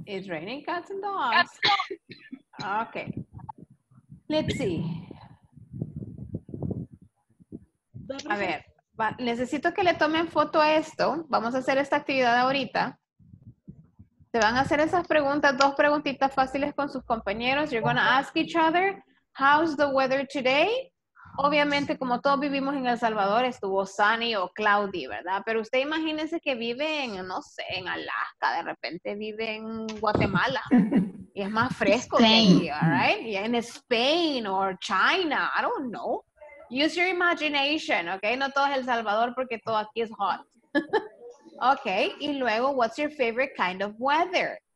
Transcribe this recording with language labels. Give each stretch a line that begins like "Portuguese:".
English: It's raining cats and dogs. Okay. Let's see.
Spanish: A ver. Necesito que le tomen foto a esto. Vamos a hacer esta actividad ahorita. Se van a hacer esas preguntas, dos preguntitas fáciles con sus compañeros.
English: You're going to ask each other, how's the weather today?
Spanish: Obviamente, como todos vivimos en El Salvador, estuvo sunny o cloudy, ¿verdad? Pero usted imagínese que vive en, no sé, en Alaska, de repente vive en Guatemala. Y es más fresco que aquí,
English: all right?
Spanish: Y en Spain o China,
English: I don't know. Use your imagination, okay?
Spanish: No todo es El Salvador porque todo aquí es hot.
English: Okay,
Spanish: y luego,
English: what's your favorite kind of weather?